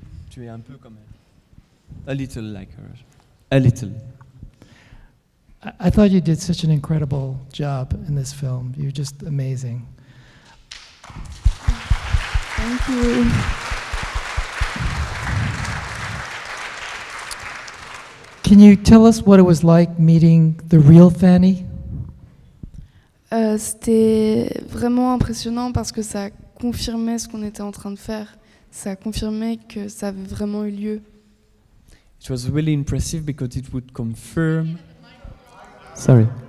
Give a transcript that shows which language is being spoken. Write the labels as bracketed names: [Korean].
[French] Tu es un peu comme elle. [English] A little like her. A little. I thought you did such an incredible job in this film. You're just amazing. Thank you. Can you tell us what it was like meeting the real Fanny? [French] C'était vraiment impressionnant parce que ça confirmait ce qu'on était en train de faire. Ça confirmait que ça avait vraiment eu lieu. [English] It was really impressive because it would confirm. Sorry.